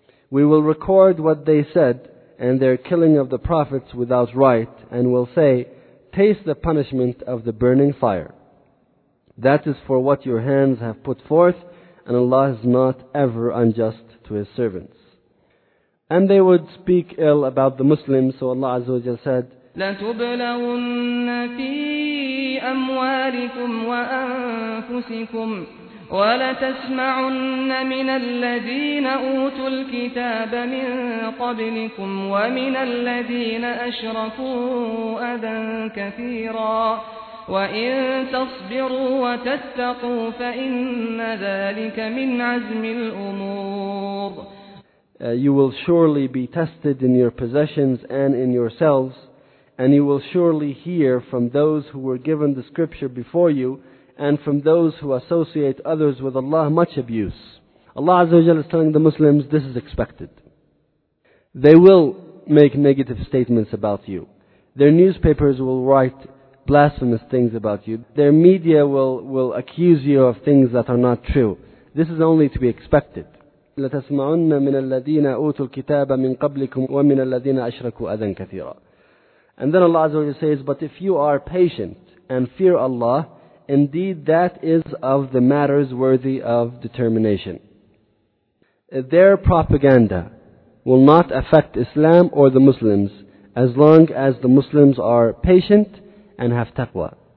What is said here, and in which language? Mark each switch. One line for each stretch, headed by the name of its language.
English: We will record what they said and their killing of the prophets without right and will say, taste the punishment of the burning fire. That is for what your hands have put forth, and Allah is not ever unjust to His servants. And they would speak ill about the Muslims, so Allah Azza wa Jalla said,
Arabic: لَتُبْلَوُنَّ فِي أَمْوَالِكُمْ وَأَنفُسِكُمْ ولتسمعن من الذين أوتوا الكتاب من قبلكم ومن الذين أشركوا أذى كثيرا وإن تصبروا وتتقوا فإن ذلك من عزم الأمور.
English: You will surely be tested in your possessions and in yourselves, and you will surely hear from those who were given the scripture before you and from those who associate others with Allah much abuse. Allah Azza wa Jalla is telling the Muslims, this is expected. They will make negative statements about you. Their newspapers will write blasphemous things about you. Their media will accuse you of things that are not true. This is only to be expected.
Arabic: لتسمعن من الذين أوتوا الكتاب من قبلكم ومن الذين أشركوا أذى كثيرا.
English: And then Allah Azza wa Jalla says, but if you are patient and fear Allah, indeed that is of the matters worthy of determination. Their propaganda will not affect Islam or the Muslims as long as the Muslims are patient and have taqwa.